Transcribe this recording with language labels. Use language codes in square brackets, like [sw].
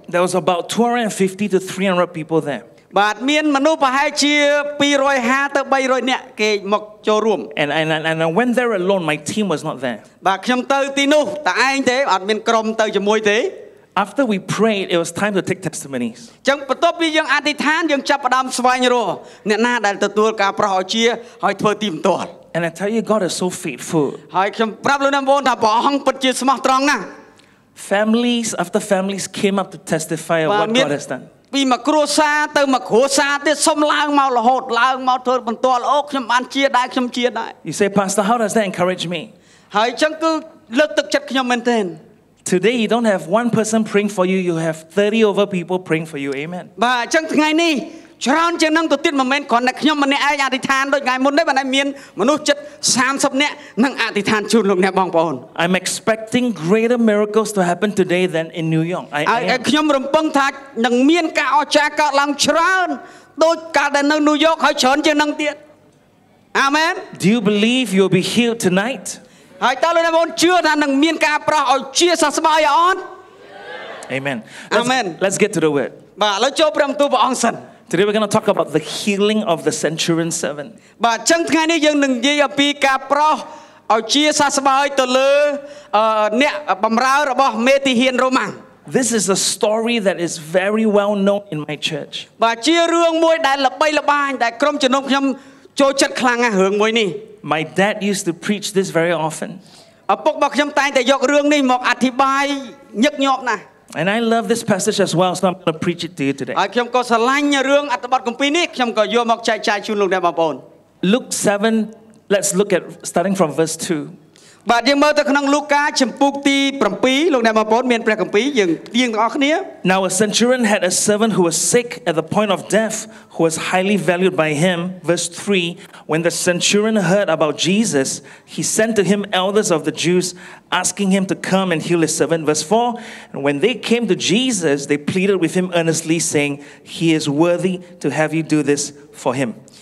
[en] There was about 250 to 300 people there [km] បាទមានមនុស្សប្រហែលជា250ទៅ300នាក់គេមកចូលរួម [en] And I went there alone my team was not there [km] បាទខ្ញុំទៅទីនោះតែឯងទេអត់មានក្រុមទៅជាមួយទេ [en] After we prayed it was time to take testimonies [km] ចឹងបន្ទាប់ពីយើងអធិដ្ឋានយើងចាប់ផ្ដើមស្វែងរកអ្នកណាដែលទទួលការប្រោះអស្ចារ្យហើយធ្វើទីបន្ទាល់ [en] And I tell you God is so faithful [km] ហើយខ្ញុំប្រាប់លោកអ្នកបងថាព្រះអង្គពិតជាស្មោះត្រង់ណាស់ [en] Families after families came up to testify of what God has done [km] ពីមកគ្រួសារទៅមកគ្រួសារទៀតសុំឡើងមករហូតឡើងមកធ្វើបន្ទាល់អូខ្ញុំបានជាដែរខ្ញុំជាដែរ [en] You say pastor how does that encourage me [km] ហើយចឹងគឺលើកទឹកចិត្តខ្ញុំមែនទែន [en] Today you don't have one person praying for you you have 30 over people praying for you amen [km] បាទចឹងថ្ងៃនេះ ច្រើនជាងនឹងទៅទៀតមិនមែនគ្រាន់តែខ្ញុំម្នាក់ឯងអធិដ្ឋានដូចថ្ងៃមុនទេបើតែមានមនុស្សចិត្ត30នាក់នឹងអធិដ្ឋានជូនលោកអ្នកបងប្អូន [en] I'm expecting greater miracles to happen today than in New York [km] I ខ្ញុំរំពឹងថានឹងមានការអស្ចារ្យកើតឡើងច្រើនដូចកាលដែលនៅ New York ហើយច្រើនជាងនឹងទៀត Amen [en] Do you believe you'll be healed tonight [km] ហើយតើលោកអ្នកបងប្អូនជឿថានឹងមានការប្រោះឲ្យជាសះស្បើយអត់ [en] Amen. Let's get to the word [km] បាទឥឡូវចូលព្រះបន្ទូលព្រះអង្គសិន [en] Today we're going to talk about the healing of the centurion servant. [km] បាទអញ្ចឹងថ្ងៃនេះយើងនឹងនិយាយអំពីការប្រោះឲ្យជាសះស្បើយទៅលើអ្នកបម្រើរបស់មេទាហានរ៉ូម៉ាំង [en] This is a story that is very well known in my church. [km] បាទជារឿងមួយដែលល្បីល្បាញដែលក្រុមជំនុំខ្ញុំចូលចិត្តខ្លាំងណាស់រឿងមួយនេះ [en] My dad used to preach this very often. [km] អពុករបស់ខ្ញុំតែងតែយករឿងនេះមកអធិប្បាយញឹកញាប់ណាស់ [en] And I love this passage as well, so I'm going to preach it to you today. [km] ហើយខ្ញុំក៏ឆ្លាញ់រឿងអត្ថបទគម្ពីរនេះខ្ញុំក៏យកមកចែកចាយជូនលោកអ្នកបងប្អូន [en] Luke 7, let's look at starting from verse 2. [km] បាទយើងមើលទៅក្នុងលូកាជំពូកទី7លោកអ្នកបងប្អូនមានព្រះគម្ពីរយើងទាំងអស់គ្នា [en] Now a centurion had a servant who was sick at the point of death who was highly valued by him. Verse 3, when the centurion heard about Jesus, he sent to him elders of the Jews asking him to come and heal his servant. Verse 4, and when they came to Jesus, they pleaded with him earnestly saying, he is worthy to have you do this for him.